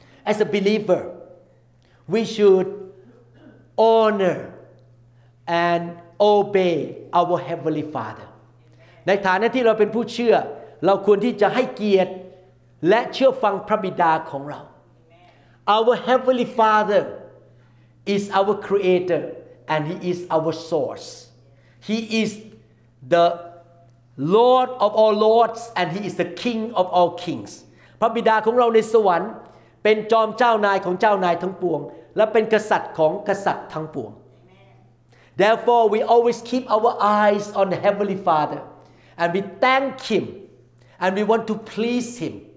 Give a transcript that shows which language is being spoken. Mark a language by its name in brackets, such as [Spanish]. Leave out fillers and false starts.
[English] As a believer we should honor and obey our heavenly father [Thai] ในฐานะที่เราเป็นผู้เชื่อเราควรที่จะให้เกียรติและเชื่อฟังพระบิดาของเรา [English] Our Heavenly Father is our Creator and He is our Source. He is the Lord of all Lords and He is the King of all Kings. [Thai] พระบิดาของเราในสวรรค์เป็นจอมเจ้านายของเจ้านายทั้งปวงและเป็นกษัตริย์ของกษัตริย์ทั้งปวง [English] Therefore, we always keep our eyes on the Heavenly Father and we thank Him and we want to please Him.